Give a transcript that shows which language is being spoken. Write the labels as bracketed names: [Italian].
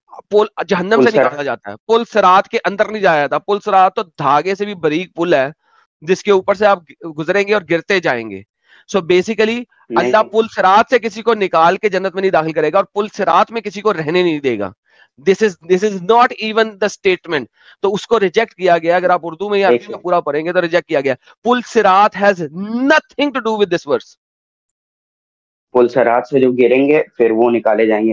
[Urdu] پل جہنم سے نکالا جاتا ہے, پل سرات کے اندر نہیں جایا تھا. پل سرات تو دھاگے سے بھی باریک پل ہے جس کے اوپر سے آپ گزریں گے اور گرتے جائیں گے. سو بیسیکلی اللہ پل سرات سے کسی کو نکال کے جنت میں نہیں داخل کرے گا, اور پل سرات میں کسی کو رہنے نہیں دے گا. [English] This is not even the statement. [Urdu] تو اس کو ریجیکٹ کیا گیا. اگر آپ اردو میں یا عربی میں پورا پڑھیں گے تو ریجیکٹ کیا گیا. [English] پل سرات has nothing to do with this verse. [Urdu] پل سرات سے جو گریں گے پھر وہ نکالے جائیں گے.